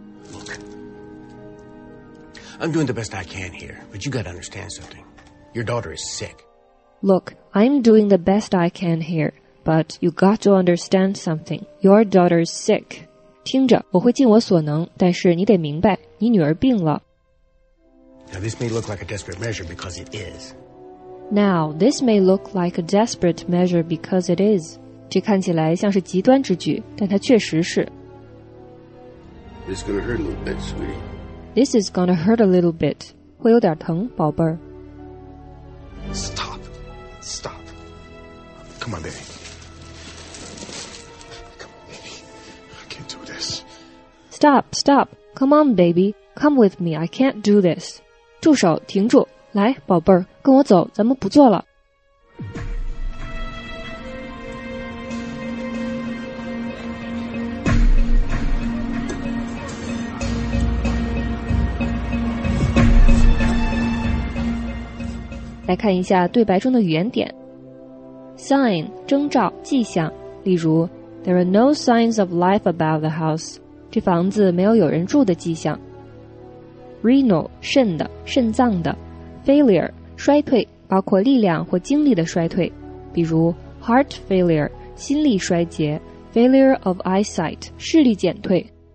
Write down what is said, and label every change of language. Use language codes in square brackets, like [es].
[en] Look, I'm doing the best I can here, but you got to understand something. Your daughter is sick. Look, I'm doing the best I can here, but you got to understand something. Your daughter is sick. [zh] 听着，我会尽我所能，但是你得明白，你女儿病了。 [en] Now this may look like a desperate measure because it is. Now, this may look like a desperate measure because it is. [zh] 这看起来像是极端之举，但它确实是。 [en] It's gonna hurt a little bit, sweetie. This is gonna hurt a little bit. [zh] 会有点疼，宝贝儿。 [en] Stop. Stop. Come on, baby. Come on, baby. I can't do this. Stop, stop. Come on, baby. Come with me. I can't do this. [zh] 住手，停住。来，宝贝儿，跟我走，咱们不做了。来看一下对白中的语言点。 Sign, 征兆、迹象。例如 , [en] There are no signs of life about the house. [zh] 这房子没有有人住的迹象。 Renal, 肾的、肾脏的。Failure, 衰退，包括力量或精力的衰退。比如 ,Heart failure, 心力衰竭。 [en] Failure of eyesight, [zh] 视力减退。